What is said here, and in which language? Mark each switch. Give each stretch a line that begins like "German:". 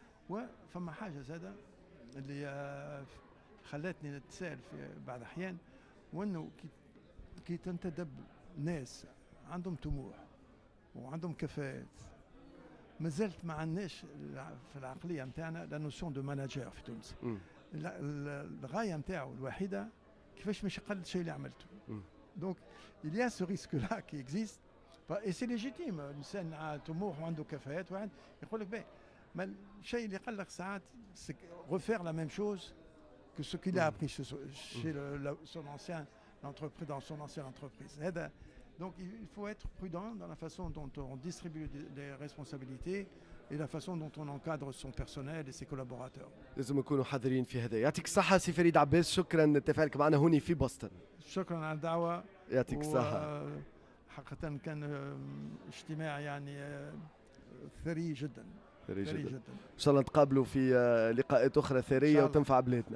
Arabic: وفما حاجه زاده اللي خلاتني نتساءل في بعض الاحيان، وانه كي تنتدب ناس عندهم طموح وعندهم كفاءات، مازلت ما عندناش في العقليه نتاعنا
French: لا نوسيون دو ماناجير
Arabic: في تونس. الغايه نتاعو الوحيده كيفاش مش اقل شيء اللي عملته.
French: دونك il y a ce risque là qui existe et c'est légitime.
Arabic: الانسان طموح وعنده كفاءات، واحد يقول لك الشيء اللي قلق ساعات
French: refaire la même chose que ce qu'il a appris chez son ancien entreprise dans son ancienne entreprise. Donc il faut être prudent dans la façon dont on distribue les responsabilités et la façon dont on encadre son personnel et ses collaborateurs.
Arabic: لازم نكونوا حذرين في هذا. يعطيك الصحة سي فريد عباس، شكرا لتفاعلك معنا هوني في بوسطن. شكرا على الدعوة. يعطيك الصحة. حقا كان اجتماع يعني ثري جدا. ثري جدا. ان شاء الله نتقابلوا في لقاءات أخرى ثرية وتنفع بلادنا.